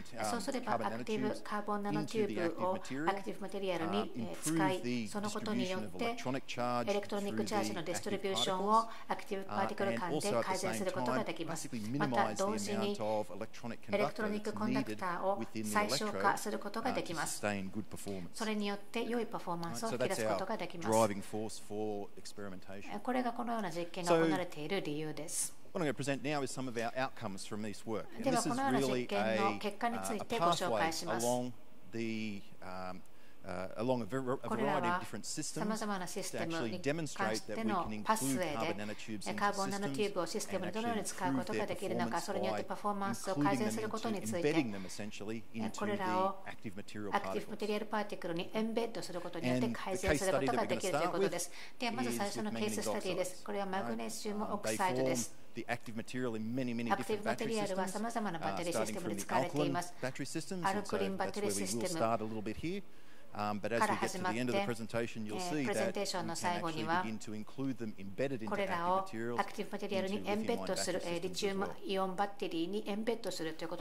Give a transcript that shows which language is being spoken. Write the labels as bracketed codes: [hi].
[ja] そうすればアクティブカーボンナノチューブをアクティブマテリアルに使い、そのことによってエレクトロニックチャージのディストリビューションをアクティブパーティクル間で改善することができます。また同時にエレクトロニックコンダクターを最小化することができます。それによって良いパフォーマンスを引き出すことができます。これがこのような実験が行われている理由です。 [en] What I'm going to present now is some of our outcomes from this work. And this is really a pathway along the, along a variety of different systems to actually demonstrate that we can include carbon nanotubes into systems and actually improve their performance by including them into, embedding them essentially into the active material particles. And the case study that we're going to start with is with magnesium oxide. [ja] これはマグネシウムオクサイドです。 [en] The active material in many, many different battery systems, starting from the alkaline battery systems, and so that's where we will start a little bit here. But as we get to the end of the presentation, you'll see that we can actually begin to include them embedded into active materials, into lithium-ion batteries as well.